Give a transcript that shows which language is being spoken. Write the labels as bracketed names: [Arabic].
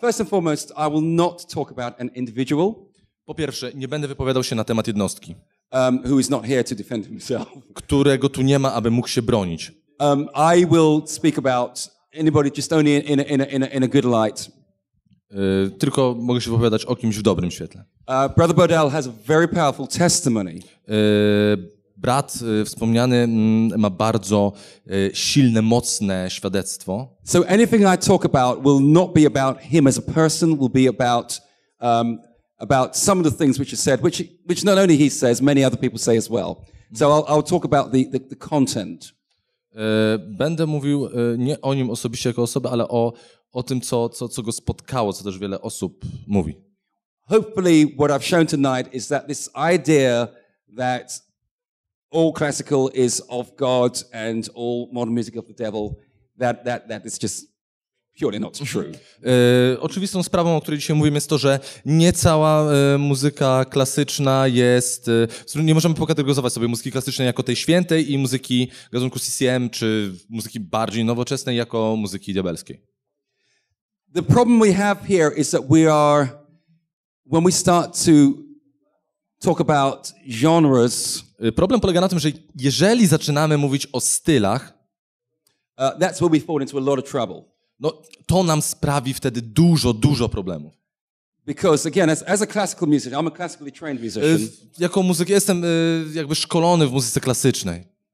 [English] First and foremost, I will not talk about an individual. [Polish] Po pierwsze, nie będę wypowiadał się na temat jednostki. [English] Who is not here to defend himself. [Polish] Którego tu nie ma, aby mógł się bronić. [English] I will speak about anybody just only in a good light. [Polish] Tylko mogę się wypowiadać o kimś w dobrym świetle. [English] Brother Bodell has a very powerful testimony. [Polish] Brat wspomniany ma bardzo silne, mocne świadectwo. [English] So anything I talk about will not be about him as a person, will be about about some of the things which are said, which not only he says, many other people say as well. So I'll talk about the content. [Polish] Będę mówił nie o nim osobiście jako osobę, ale o tym, co go spotkało, co też wiele osób mówi. [English] Hopefully what I've shown tonight is that this idea that all classical is of God and all modern music of the devil, that is just purely not true. [Polish] Oczywistą sprawą, o której dzisiaj mówimy, jest to, że nie cała muzyka klasyczna jest. Nie możemy pokategoryzować sobie muzyki klasycznej jako tej świętej i muzyki gatunku CCM, czy muzyki bardziej nowoczesnej jako muzyki diabelskiej. [English] The problem we have here is that when we start to talk about genres. [Polish] Problem polega na tym, że jeżeli zaczynamy mówić o stylach, [English] that's where we fall into a lot of trouble. [Polish] No, to nam sprawi wtedy dużo, dużo problemów. [English] Because again, as a classical musician, I'm a classically trained musician. [Polish] Jako muzyk jestem jakby szkolony w muzyce klasycznej.